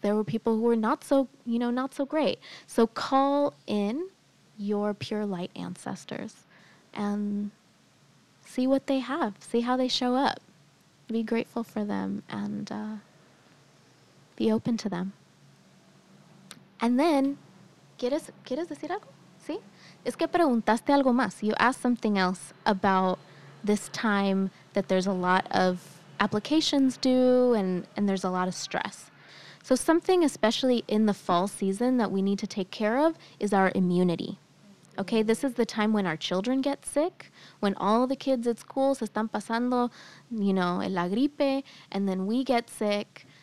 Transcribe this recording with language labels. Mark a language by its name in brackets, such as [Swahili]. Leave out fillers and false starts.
[English] There were people who were not so, you know, not so great. So call in your pure light ancestors and see what they have. See how they show up. Be grateful for them and be open to them. [Spanish] And then, ¿quieres decir algo? ¿Sí? Es que preguntaste algo más. [English] You asked something else about this time that there's a lot of applications due and there's a lot of stress. So something especially in the fall season that we need to take care of is our immunity. Okay, this is the time when our children get sick, when all the kids at school [Spanish] se están pasando, [English] you know, [Spanish] la gripe, [English] and then we get sick.